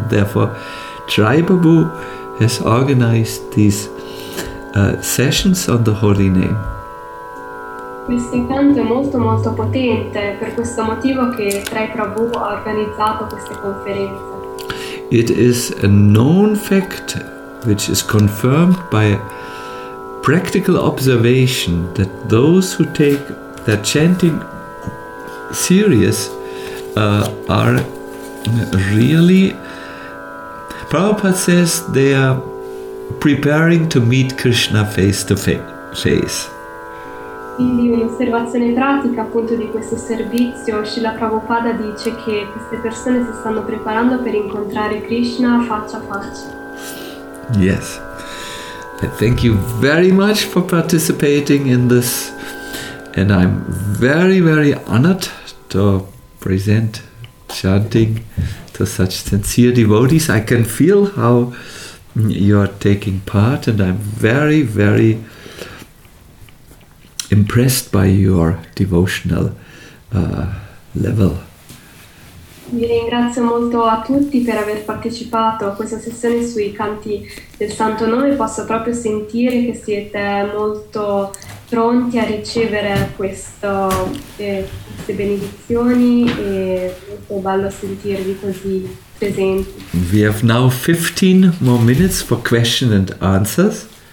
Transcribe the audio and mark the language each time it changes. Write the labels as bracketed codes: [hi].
[en] Therefore, Tri Babu has organized these sessions on the holy name. [it] Questo canto è molto molto potente, per questo motivo che Tri Prabhu ha organizzato queste conferenze. [en] It is a known fact which is confirmed by a practical observation that those who take their chanting serious are really, Prabhupada says, they are preparing to meet Krishna face to face. [it] Quindi un'osservazione pratica appunto di questo servizio, Srila Prabhupada dice che queste persone si stanno preparando per incontrare Krishna faccia a faccia. [en] Yes. I thank you very much for participating in this, and I'm very very honored to present chanting to such sincere devotees. I can feel how you are taking part, and I'm very very impressed by your devotional level. [it] Vi ringrazio molto a tutti per aver partecipato a questa sessione sui canti del Santo Nome. Posso proprio sentire che siete molto pronti a ricevere queste benedizioni, e molto bello sentirvi così presenti. [en] We have now 15 more minutes for question and answers.